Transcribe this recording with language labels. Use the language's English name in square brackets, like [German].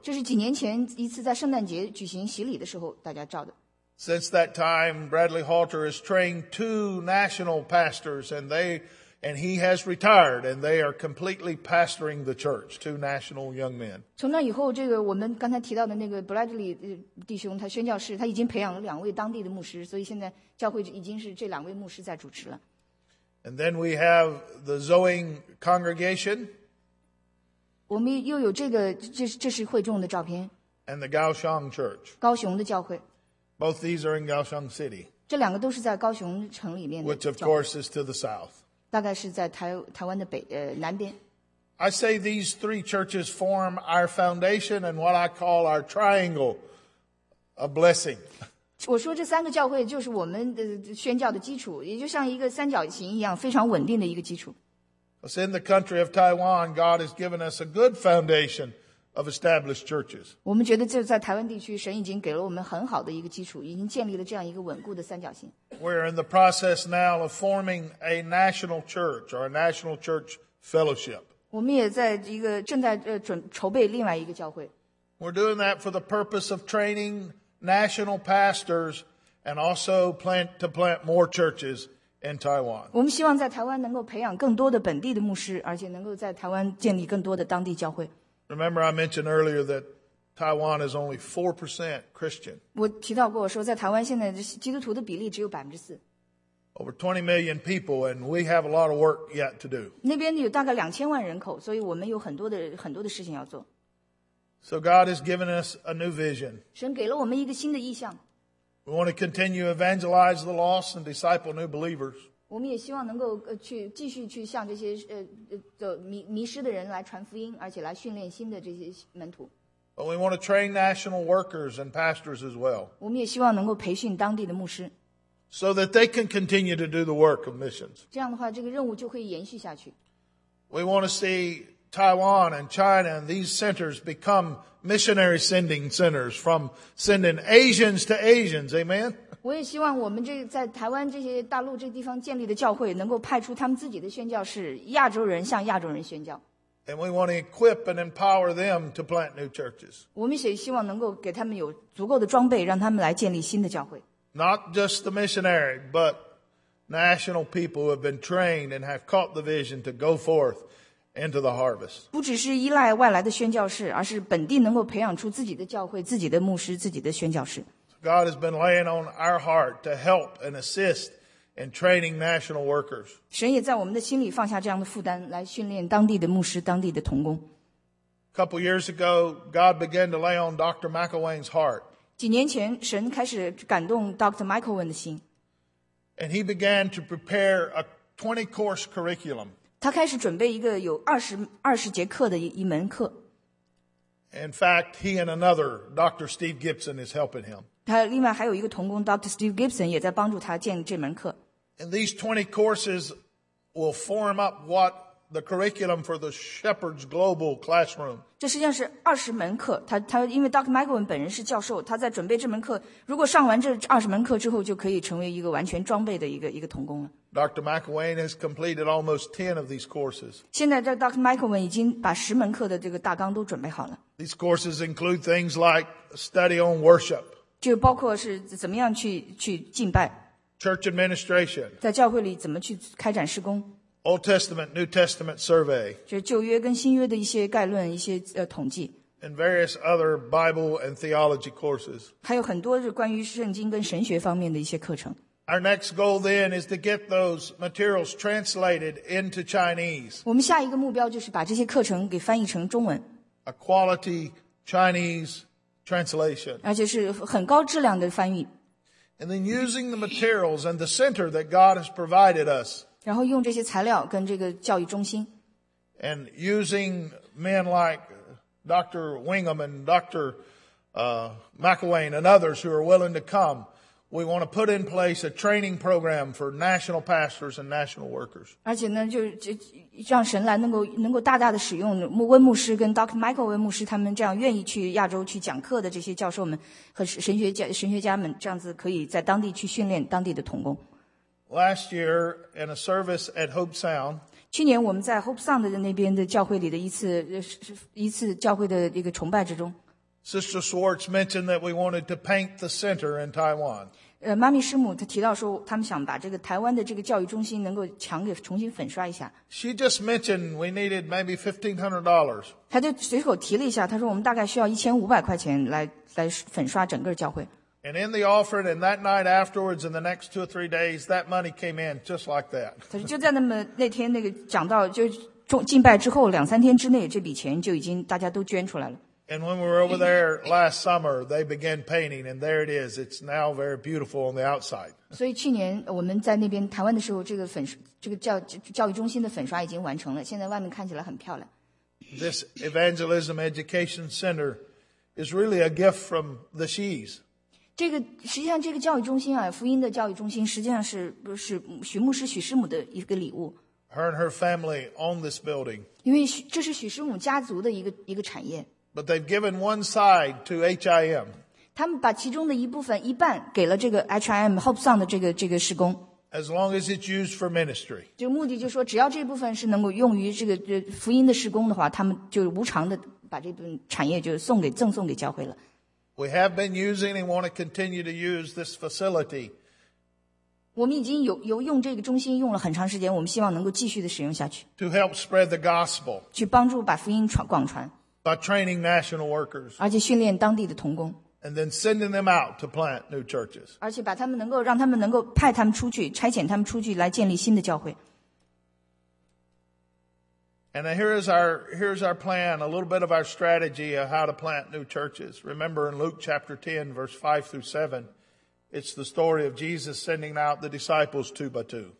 [Chinese] 这是几年前一次在圣诞节举行洗礼的时候大家照的。 [English] Since that time, Bradley Halter has trained two national pastors, and he has retired, and they are completely pastoring the church. Two national young men. [Chinese] 从那以后，这个我们刚才提到的那个 Bradley 弟兄，他宣教士，他已经培养了两位当地的牧师，所以现在教会已经是这两位牧师在主持了。 [English] And then we have the Zoing congregation. [Chinese] 我们又有这个，这是会众的照片。 [English] And the Kaohsiung Church. [Chinese] 高雄的教会。 [English] Both these are in Kaohsiung City. [Chinese] 这两个都是在高雄城里面的。 [English] Which of course is to the south. [Chinese] 大概是在台湾的南边。 [English] I say these three churches form our foundation and what I call our triangle, a blessing. [Chinese] 我说这三个教会就是我们的宣教的基础，也就像一个三角形一样，非常稳定的一个基础。 [English] In the country of Taiwan, God has given us a good foundation of established churches. [Chinese] 我们觉得就在台湾地区，神已经给了我们很好的一个基础，已经建立了这样一个稳固的三角形。 [English] We are in the process now of forming a national church or a national church fellowship. [Chinese] 我们也在一个正在筹备另外一个教会。 [English] We're doing that for the purpose of training. National pastors and also plant more churches in Taiwan. [Chinese] 我们希望在台湾能够培养更多的本地的牧师，而且能够在台湾建立更多的当地教会。 [English] Remember, I mentioned earlier that Taiwan is only 4% Christian. [Chinese] 我提到过，说在台湾现在基督徒的比例只有4%。 [English] Over 20 million people, and we have a lot of work yet to do. [Chinese] 那边有大概2000万人口，所以我们有很多的事情要做。 [English] So God has given us a new vision. [Chinese] 神给了我们一个新的意向。 [English] We want to continue to evangelize the lost and disciple new believers. [Chinese] 我们也希望能够去继续去向这些走迷失的人来传福音，而且来训练新的这些门徒。 [English] But we want to train national workers and pastors as well. [Chinese] 我们也希望能够培训当地的牧师。 [English] So that they can continue to do the work of missions. [Chinese] 这样的话，这个任务就会延续下去。 [English] We want to see. Taiwan and China and these centers become missionary sending centers from sending Asians to Asians. Amen. [Chinese] 我也希望我们这在台湾这些大陆这地方建立的教会能够派出他们自己的宣教士，亚洲人向亚洲人宣教。 [English] And we want to equip and empower them to plant new churches. [Chinese] 我们也希望能够给他们有足够的装备，让他们来建立新的教会。 [English] Not just the missionary, but national people who have been trained and have caught the vision to go forth into the harvest. [Chinese] 不只是依赖外来的宣教士，而是本地能够培养出自己的教会、自己的牧师、自己的宣教士。 [English] God has been laying on our heart to help and assist in training national workers. [Chinese] 神也在我们的心里放下这样的负担，来训练当地的牧师、当地的同工。 [English] A couple years ago, God began to lay on Dr. McElwain's heart. [Chinese] 几年前，神开始感动 Dr. McElwain 的心。 [English] And he began to prepare a 20-course curriculum. [Chinese] 他开始准备一个有二十节课的一门课。 [English] In fact, he and another, Dr. Steve Gibson, is helping him. [Chinese] 他另外还有一个同工 Dr. Steve Gibson 也在帮助他建这门课。 [English] And these 20 courses will form up what the curriculum for the Shepherd's Global Classroom. [Chinese] 这实际上是20门课。他因为 Dr. McElwain 本人是教授，他在准备这门课。如果上完这20门课之后，就可以成为一个完全装备的一个同工了。 [English] Dr. McElwain has completed almost 10 of these courses. [Chinese] 现在 Dr. McElwain 已经把10门课的这个大纲都准备好了。 [English] These courses include things like study on worship. [Chinese] 就包括是怎么样去敬拜。 [English] Church administration. [Chinese] 在教会里怎么去开展事工。 [English] Old Testament, New Testament survey. [Chinese] 就旧约跟新约的一些概论，一些统计。 [English] And various other Bible and theology courses. [Chinese] 还有很多是关于圣经跟神学方面的一些课程。 [English] Our next goal then is to get those materials translated into Chinese. [Chinese] 我们下一个目标就是把这些课程给翻译成中文。 [English] A quality Chinese translation. [Chinese] 而且是很高质量的翻译。 [English] And then using the materials and the center that God has provided us. [Chinese] 然后用这些材料跟这个教育中心。 [English] And using men like Dr. Wingham and Dr. McElwain and others who are willing to come. We want to put in place a training program for national pastors and national workers. [Chinese] 而且呢，就让神来能够大大的使用穆温牧师跟 Dr. McElwain 牧师他们这样愿意去亚洲去讲课的这些教授们和神学家们，这样子可以在当地去训练当地的同工。 [English] Last year, in a service at Hope Sound. [Chinese] 去年我们在 Hope Sound 的那边的教会里的一次教会的一个崇拜之中。 [English] Sister Schwartz mentioned that we wanted to paint the center in Taiwan. [Chinese] 妈咪师母她提到说，他们想把这个台湾的这个教育中心能够墙给重新粉刷一下。 [English] She just mentioned we needed maybe $1,500. [Chinese] 她就随口提了一下，她说我们大概需要1,500块钱来粉刷整个教会。 [English] And in the offering, and that night afterwards, in the next 2 or 3 days, that money came in just like that. [Chinese] 她说就在那天那个讲到就敬拜之后两三天之内，这笔钱就已经大家都捐出来了。 [English] And when we were over there last summer, they began painting, and there it is. It's now very beautiful on the outside. [Chinese] 所以去年我们在那边台湾的时候，这个教育中心的粉刷已经完成了，现在外面看起来很漂亮。 [English] This evangelism education center is really a gift from the Shees. [Chinese] 这个实际上这个教育中心啊，福音的教育中心实际上是许牧师许师母的一个礼物。 [English] Her and her family own this building. [Chinese] 因为这是许师母家族的一个产业。 [English] But they've given one side to HIM. [Chinese] 他们把其中的一部分一半给了这个 HIM Hope Sound 的这个施工。 [English] As long as it's used for ministry. [Chinese] 就目的就是说，只要这部分是能够用于这个福音的施工的话，他们就无偿的把这部分产业就赠送给教会了。 [English] We have been using and want to continue to use this facility. [Chinese] 我们已经有用这个中心用了很长时间，我们希望能够继续的使用下去。 [English] To help spread the gospel. [Chinese] 去帮助把福音广传。 [English] By training national workers. [Chinese] 而且训练当地的同工。 [English] And then sending them out to plant new churches. [Chinese] 而且把他们能够让他们能够派他们出去差遣他们出去来建立新的教会。 [English] And here's our plan, a little bit of our strategy of how to plant new churches. Remember in Luke chapter 10, verse 5 through 7, it's the story of Jesus sending out the disciples two by two.